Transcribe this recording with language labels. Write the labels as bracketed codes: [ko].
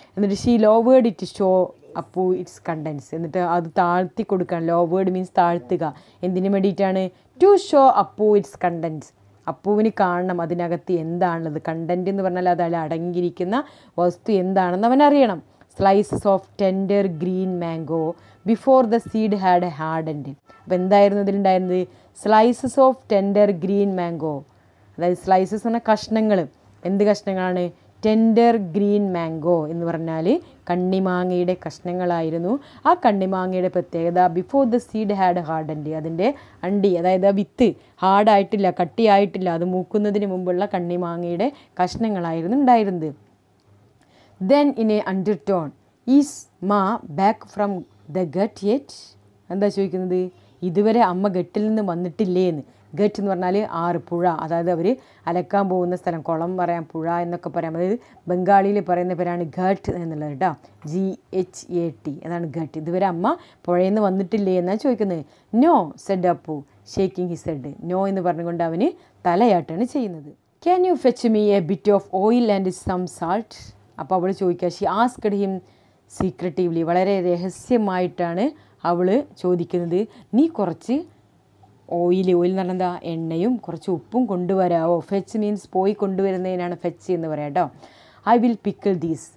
[en] എന്നിട്ട് she lowered it show Appu its contents. [ml] എന്നിട്ട് അത് താഴ്ത്തി കൊടുക്കുകയാണ്. Lowered means താഴ്ത്തുക. എന്തിനു വേണ്ടിയിട്ടാണ്? [en] To show Appu its contents. [ml] അപ്പുവിന് കാണണം അതിനകത്ത് എന്താണുള്ളത്. കണ്ടൻറ് എന്ന് പറഞ്ഞാൽ അത് അടങ്ങിയിരിക്കുന്ന വസ്തു എന്താണെന്ന് അവനറിയണം. [en] Slices of tender green mango before the seed had hardened. [ml] അപ്പോൾ എന്തായിരുന്നു ഇതിലുണ്ടായിരുന്നത്? [en] Slices of tender green mango. [ml] അതായത് സ്ലൈസസ് എന്ന് പറഞ്ഞാൽ കഷ്ണങ്ങൾ. എന്ത് കഷ്ണങ്ങളാണ്? [en] Tender green mango [ml] എന്ന് പറഞ്ഞാൽ കണ്ണിമാങ്ങയുടെ കഷ്ണങ്ങളായിരുന്നു. ആ കണ്ണിമാങ്ങയുടെ പ്രത്യേകത, [en] before the seed had hardened, [ml] അതിൻ്റെ അണ്ടി അതായത് ആ വിത്ത് ഹാർഡായിട്ടില്ല, കട്ടിയായിട്ടില്ല, അത് മൂക്കുന്നതിന് മുമ്പുള്ള കണ്ണിമാങ്ങയുടെ കഷ്ണങ്ങളായിരുന്നു ഉണ്ടായിരുന്നത്. [en] Then in a undertone, is ma back from the gut yet? [ml] എന്താ ചോദിക്കുന്നത്? ഇതുവരെ അമ്മ ഗട്ടിൽ നിന്ന് വന്നിട്ടില്ലേ എന്ന്. ഗട്ട് എന്ന് പറഞ്ഞാൽ ആറ് പുഴ, അതായത് അവർ അലക്കാൻ പോകുന്ന സ്ഥലം, കുളം പറയാം, പുഴ എന്നൊക്കെ പറയാം. അതായത് ബംഗാളിയിൽ പറയുന്ന പേരാണ് ഗട്ട് എന്നുള്ളത് കേട്ടോ. GHAT അതാണ് ഗട്ട്. ഇതുവരെ അമ്മ പുഴയിൽ നിന്ന് വന്നിട്ടില്ലേ എന്നാണ് ചോദിക്കുന്നത്. [en] No said Appu shaking his head. [ml] No എന്ന് പറഞ്ഞുകൊണ്ട് അവന് തലയാട്ടാണ് ചെയ്യുന്നത്. [en] Can you fetch me a bit of oil and some salt? [ml] അപ്പോൾ അവൾ ചോദിക്കുക, [en] she asked him secretively, [ml] വളരെ രഹസ്യമായിട്ടാണ് അവൾ ചോദിക്കുന്നത്. നീ കുറച്ച് ഓയിൽ, ഓയിൽ എന്ന് പറഞ്ഞാൽ എന്താ, എണ്ണയും കുറച്ച് ഉപ്പും കൊണ്ടുവരാമോ? ഫെച്ച് മീൻസ് പോയി കൊണ്ടുവരുന്നതിനാണ് ഫെച്ച് എന്ന് പറയാം കേട്ടോ. [en] I will pickle these.